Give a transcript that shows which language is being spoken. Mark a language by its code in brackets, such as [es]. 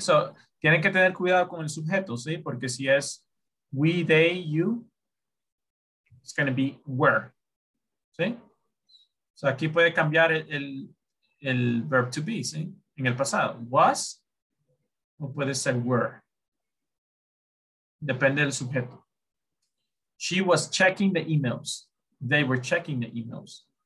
[es] So, tienen que tener cuidado con el sujeto, ¿sí? Porque si es [en] we, they, you, it's going to be were. [es] ¿Sí? So, aquí puede cambiar el verb to be, ¿sí? En el pasado. Was, o puede ser were. Depende del sujeto. [en] She was checking the emails. They were checking the emails.